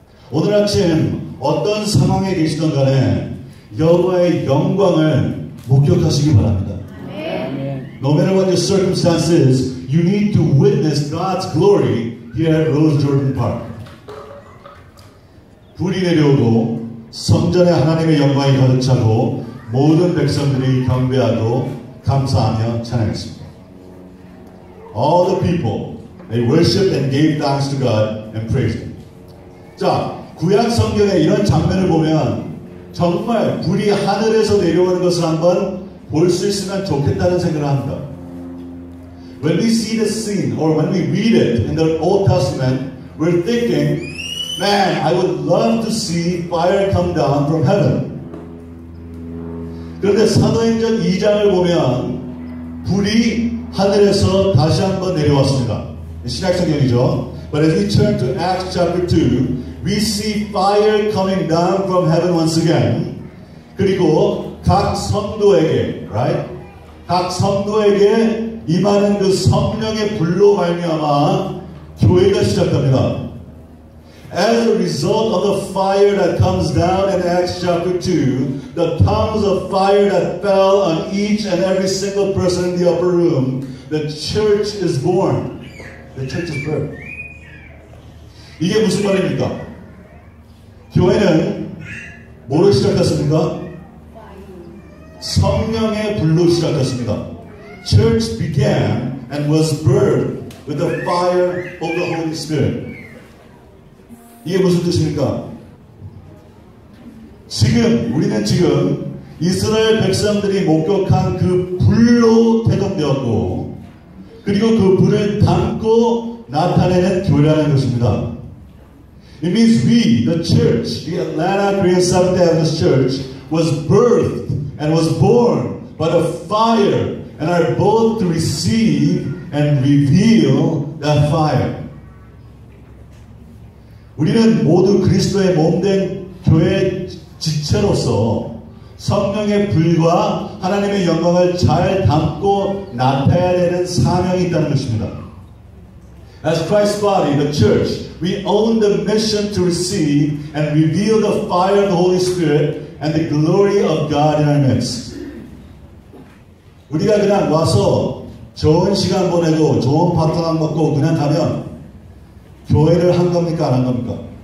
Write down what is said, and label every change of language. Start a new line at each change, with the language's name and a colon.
Korean: 오늘 아침 어떤 상황에 계시던 간에 여호와의 영광을 목격하시기 바랍니다.
English: No matter what your circumstances, you need to witness God's glory here at Rose Jordan Park.
Korean: 불이 내려오고 성전에 하나님의 영광이 가득 차고 모든 백성들이 경배하고 감사하며 찬양했습니다.
English: All the people, they worshiped and gave thanks to God and praised Him.
Korean: 자, 구약 성경의 이런 장면을 보면 정말 불이 하늘에서 내려오는 것을 한번 볼 수 있으면 좋겠다는 생각을 합니다.
English: When we see the scene or when we read it in the Old Testament, we're thinking, man, I would love to see fire come down from heaven.
Korean: 그런데 사도행전 2장을 보면 불이 하늘에서 다시 한번 내려왔습니다. 신약성경이죠.
English: But as we turn to Acts chapter 2, we see fire coming down from heaven once again.
Korean: 그리고 각 성도에게,
English: right?
Korean: 각 성도에게 임하는 그 성령의 불로 말미암아 교회가 시작됩니다.
English: As a result of the fire that comes down in Acts chapter 2, the tongues of fire that fell on each and every single person in the upper room, the church is born. The church is birthed.
Korean: 이게 무슨 말입니까? 교회는 뭐로 시작됐습니까? 성령의 불로 시작됐습니다.
English: Church began and was birthed with the fire of the Holy Spirit.
Korean: 이게 무슨 뜻입니까? 지금 우리는 지금 이스라엘 백성들이 목격한 그 불로 태동되었고 그리고 그 불을 담고 나타내는 교회라는 것입니다.
English: It means we, the church, the Atlanta Green Seventh-day Adventist Church, was birthed and was born by the fire and are both to receive and reveal that fire.
Korean: 우리는 모두 그리스도의 몸된 교회 지체로서 성령의 불과 하나님의 영광을 잘 담고 나타내야 되는 사명이 있다는 것입니다.
English: As Christ's body, the church, we own the mission to receive and reveal the fire of the Holy Spirit and the glory of God in our midst.
Korean: 우리가 그냥 와서 좋은 시간 보내고 좋은 파트너 먹고 그냥 가면 교회를 한 겁니까? 안 한 겁니까?